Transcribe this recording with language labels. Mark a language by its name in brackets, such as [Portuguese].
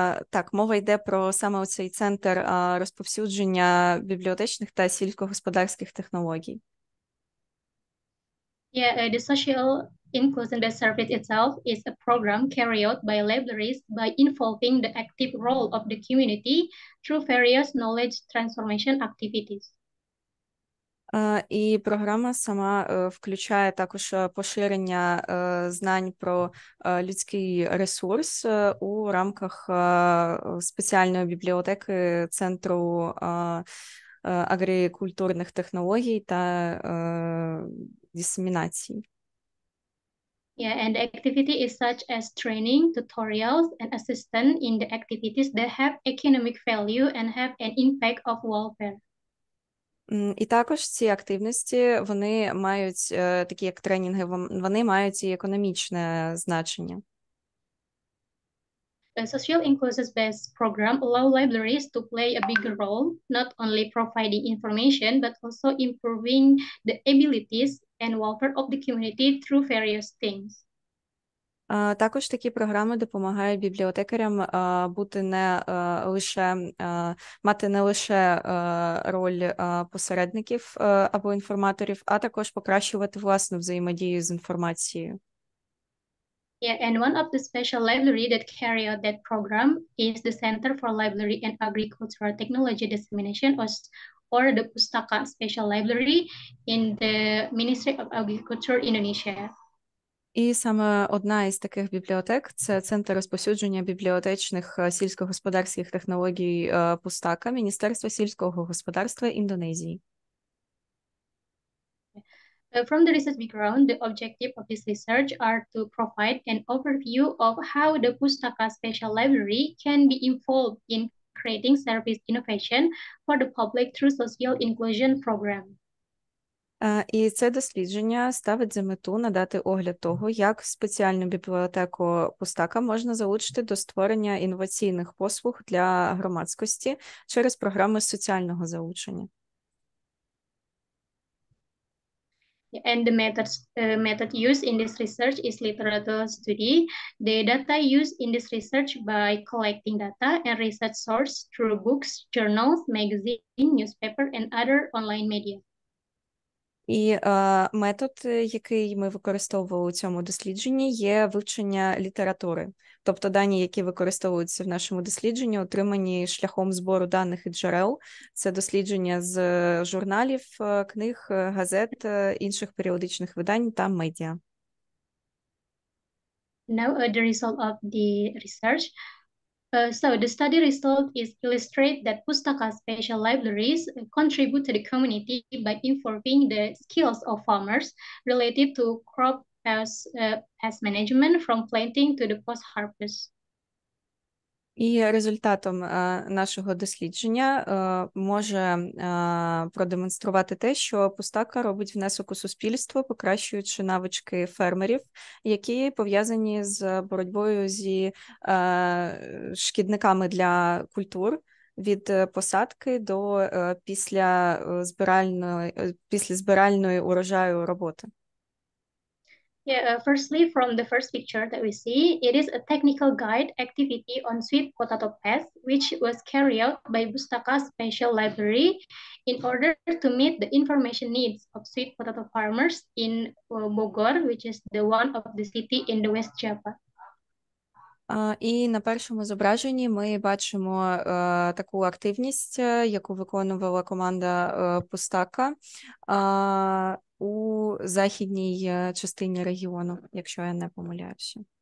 [Ukrainian] Так, мова йде про саме цей центр розповсюдження бібліотечних та сільськогосподарських технологій. [English] Yeah, the social inclusion-based service itself is a program carried out by libraries by involving the active role of the community through various knowledge transformation activities. [Ukrainian] І програма сама включає також поширення знань про людський ресурс у рамках спеціальної бібліотеки Центру агрікультурних технологій та дисемінації. [English] Yeah, and the activity is such as training, tutorials, and assistance in the activities that have economic value and have an impact of welfare. [Ukrainian] І також ці активності, вони мають такі як тренінги, вони мають і економічне значення. [English] The social inclusion-based program allow libraries to play a bigger role, not only providing information, but also improving the abilities and welfare of the community through various things. [Ukrainian] Також такі програми допомагають бібліотекарям бути не лише мати не лише роль посередників або інформаторів, а також покращувати власну взаємодію з інформацією. [English] Yeah, and one of the special libraries that carry out that program is the Center for Library and Agricultural Technology Dissemination, or the PUSTAKA Special Library in the Ministry of Agriculture Indonesia. [Ukrainian] І саме одна із таких бібліотек – це Центр розповсюдження бібліотечних сільськогосподарських технологій Пустака Міністерства сільського господарства Індонезії. [English] From the research background, the objective of this research are to provide an overview of how the PUSTAKA Special Library can be involved in creating service innovation for the public through social inclusion program. [Ukrainian] І це дослідження ставить за мету надати огляд того, як спеціальну бібліотеку Пустака можна залучити до створення інноваційних послуг для громадськості через програми соціального залучення. [English] And the method used in this research is literature study. The data used in this research by collecting data and research source through books, journals, magazine, newspaper, and other online media. [Ukrainian] І метод, який ми використовували у цьому дослідженні, є вивчення літератури. Тобто дані, які використовуються в нашому дослідженні, отримані шляхом збору даних і джерел. Це дослідження з журналів, книг, газет, інших періодичних видань та медіа. [English] Now the result of the research. So the study result is illustrate that Pustaka special libraries contribute to the community by improving the skills of farmers related to crop pest management from planting to the post-harvest. [Ukrainian] І результатом нашого дослідження може продемонструвати те, що Пустака робить внесок у суспільство, покращуючи навички фермерів, які пов'язані з боротьбою зі шкідниками для культур від посадки до після збиральної урожаю роботи. [English] Yeah, firstly, from the first picture that we see, it is a technical guide activity on sweet potato pest, which was carried out by Pustaka Special Library in order to meet the information needs of sweet potato farmers in Bogor, which is the one of the city in the West Java. [Ukrainian] І на першому зображенні ми бачимо таку активність, яку виконувала команда Пустака у західній частині регіону, якщо я не помиляюся.